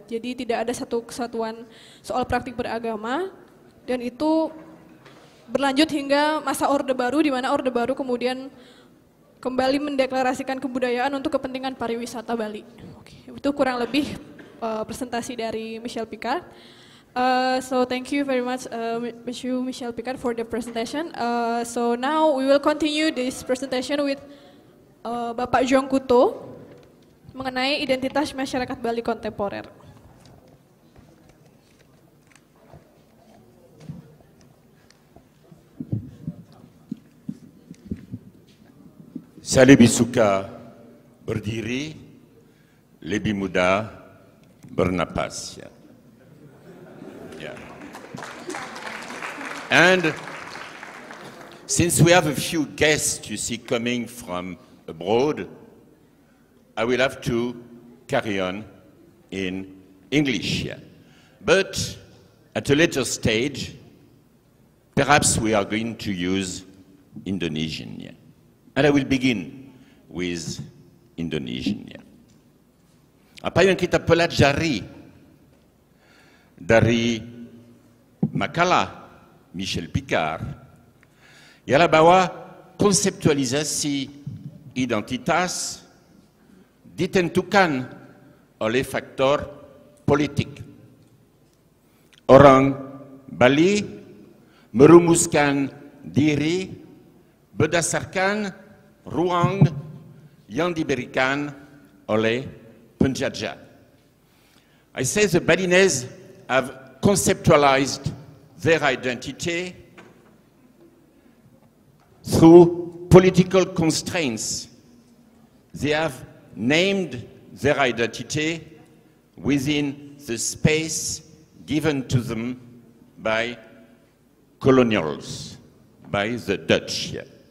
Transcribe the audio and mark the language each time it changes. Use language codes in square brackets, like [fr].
[id] Jadi tidak ada satu kesatuan soal praktik beragama. Dan itu berlanjut hingga masa Orde Baru, di mana Orde Baru kemudian kembali mendeklarasikan kebudayaan untuk kepentingan pariwisata Bali. Oke, itu kurang lebih presentasi dari Michel Picard. [en] So thank you very much, Michel Picard, for the presentation. So now we will continue this presentation with Bapak Jean Couteau [id] mengenai identitas masyarakat Bali kontemporer. Saya lebih suka berdiri, lebih mudah bernapas. Ya. Yeah. [en] And since we have a few guests, you see, coming from abroad, I will have to carry on in English. Yeah. But at a later stage, perhaps we are going to use Indonesian. Yeah. And I will begin with Indonesian. [id] Apa yang kita pelajari dari makalah Michel Picard ialah bahwa konseptualisasi identitas ditentukan oleh faktor politik. Orang Bali merumuskan diri berdasarkan ruang yang diberikan oleh penjajah. [en] I say the Balinese have conceptualized their identity through political constraints. They have named their identity within the space given to them by colonials, by the Dutch. Yeah.